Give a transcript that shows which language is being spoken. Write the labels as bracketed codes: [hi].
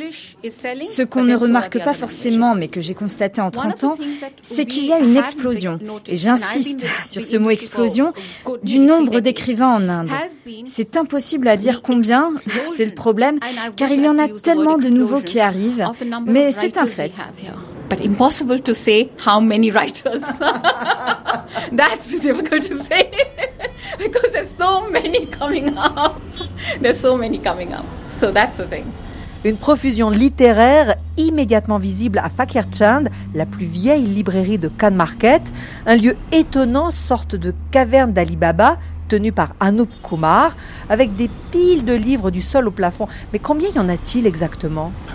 [fr] Ce qu'on ne remarque pas forcément, mais que j'ai constaté en 30 ans, c'est qu'il y a une explosion. Et j'insiste sur ce mot explosion, du nombre d'écrivains en Inde. C'est impossible à dire combien, c'est le problème, car il y en a tellement de nouveaux qui arrivent, mais c'est un fait. [en] But impossible to say how many writers. That's difficult to say because there's so many coming up. So that's the thing. [fr] Une profusion littéraire immédiatement visible à Fakir Chand, la plus vieille librairie de Khan Market, un lieu étonnant, sorte de caverne d'Ali Baba, tenue par Anoop Kumar, avec des piles de livres du sol au plafond. Mais combien y en a-t-il exactement ?